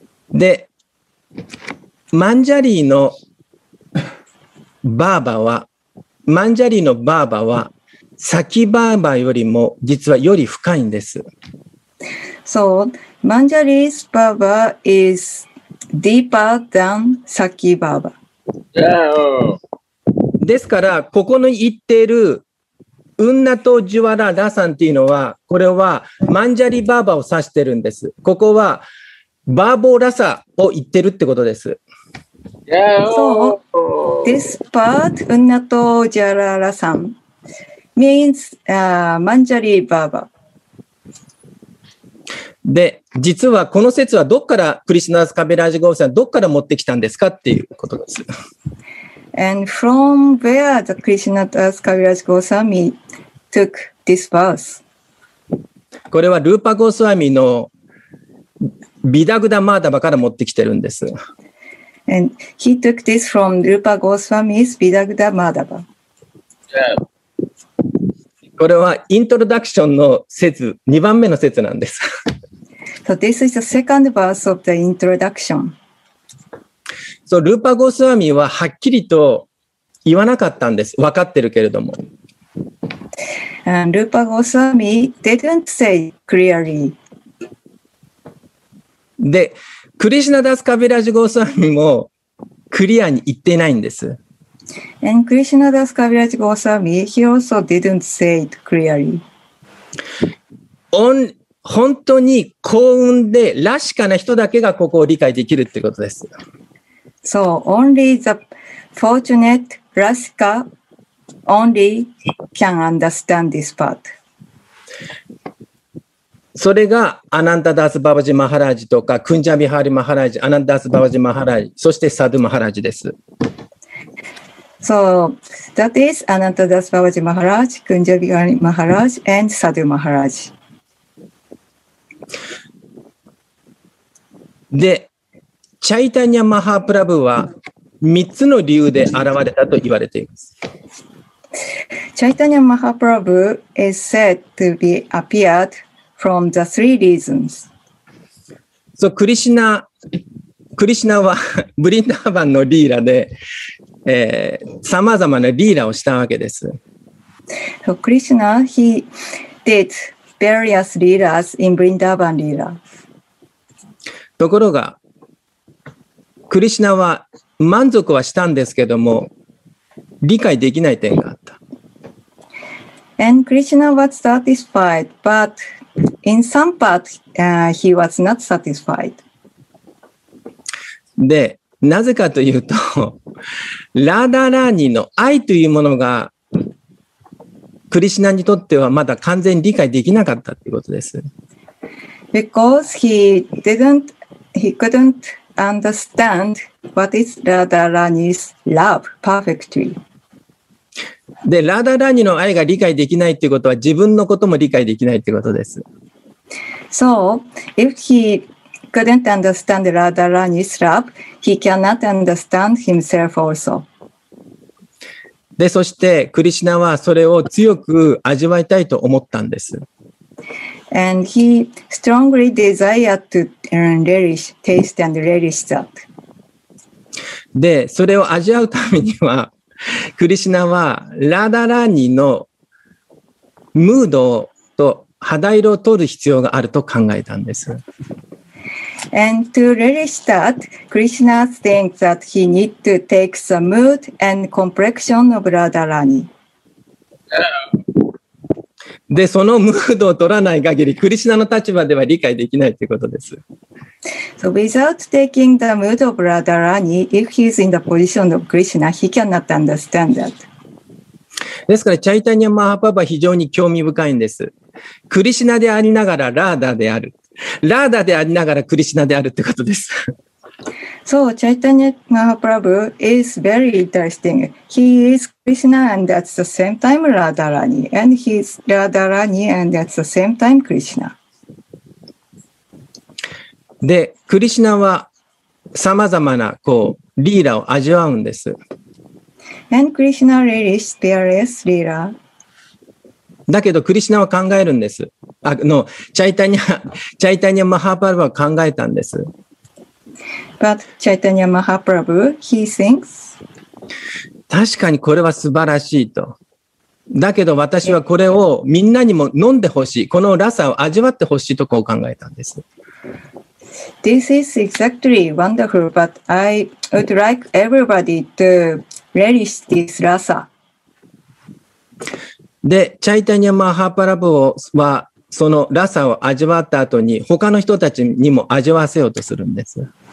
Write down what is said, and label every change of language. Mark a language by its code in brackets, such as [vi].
[ja] で、マンジャリーのバーバは、マンジャリーのバーバは、サキバーバよりも実はより深いんです。 [en] So, Manjari's Baba is deeper than Saki Baba. [ja] ですから、ここに言っているウンナトジュワララサンっていうのは、これはマンジャリバーバを指してるんです。ここはバーボーラサを言ってるってことです。 [en] So, this part, ウンナトジュワララサン。 means Manjari Baba. [ja] で、実はこの説はどっからクリシュナダス・カビラージ・ゴーさんどっから持ってきたんですかっていうことです。 [en] And from where the Krishna Das Kaviraj Goswami took this verse? [ja] これはルーパ・ゴスワミのビダグダ・マーダバから持ってきてるんです。 [en] And he took this from Rupa Goswami's Vidagda Madhava. Yeah. [ja] これはイントロダクションの説、2番目の説なんです。 [en] So this is the second verse of the introduction. [ja] So, ルーパ・ゴスワミははっきりと言わなかったんです。分かってるけれども。 [en] ルーパ・ゴスワミ didn't say clearly. [ja] で、クリシュナ・ダス・カビラジ・ゴスワミもクリアに言ってないんです。 [en] And Krishna Das Kaviraj Goswami, he also didn't say it clearly. [ja] 本当に幸運でらしかな人だけがここを理解できるってことです。 [en] So, only the fortunate Rashika only can understand this part. [ja] それがアナンダダス・ババジ・マハラジとかクンジャビハリ・マハラジ、アナンダス・ババジ・マハラジ、そしてサドゥ・マハラジです。 [en] So that is Ananta Das Babaji Maharaj, Kunjabigari Maharaj, and Sadhu Maharaj. [ja] で、チャイタニャ・マハプラブは3つの理由で現れたと言われています。 [en] チャイタニャ・マハプラブ is said to be appeared from the three reasons. [ja] So, Krishna はブリンダーバンのリーラで、さまざまなリーラをしたわけです。 [en] So, Krishna, he did various leelas in Vrindavan leela. [ja] ところが、クリシナは満足はしたんですけども、理解できない点があった。 [en] And Krishna was satisfied, but in some part, he was not satisfied. [ja] で、なぜかというと、ラーダラーニの愛というものがクリシナにとってはまだ完全に理解できなかったということです。 [en] Because he couldn't understand what is Radharani's love perfectly. [ja] で、ラーダラーニの愛が理解できないということは自分のことも理解できないということです。 [en] So if he couldn't understand Radharani's love, he cannot understand himself also. [ja] で、そしてクリシナはそれを強く味わいたいと思ったんです。 [en] And he strongly desired to relish, taste and relish that. [ja] で、それを味わうためには、クリシナはラダラーニのムードと肌色を取る必要があると考えたんです。 [en] And to relish that, Krishna thinks that he need to take the mood and complexion of Radharani. [ja] で、そのムードを取らない限り、クリシナの立場では理解できないということです。 [en] So without taking the mood of Radharani, if he is in the position of Krishna, he cannot understand that. [ja] ですから、チャイタニア・マハプラブは非常に興味深いんです。クリシナでありながらラーダである。ラーダでありながらクリシナであるってことです。 [en] So, Chaitanya Mahaprabhu is very interesting. He is Krishna and at the same time Radharani. And he is Radharani and at the same time Krishna. [ja] で、クリシナはさまざまなこうリーラを味わうんです。 [en] And Krishna relishes various Leela. [ja] だけどクリシナは考えるんです。あのチャイタニアマハプラブは考えたんです。 [en] But Chaitanya Mahaprabhu, he thinks, [ja] 確かにこれは素晴らしいと。だけど私はこれをみんなにも飲んでほしい、このラサを味わってほしいとこう考えたんです。 [en] This is exactly wonderful, but I would like everybody to relish this rasa. [ja] で、チャイタニアマハプラブはそのラサを味わった後に他の人たちにも味わわせようとするんです。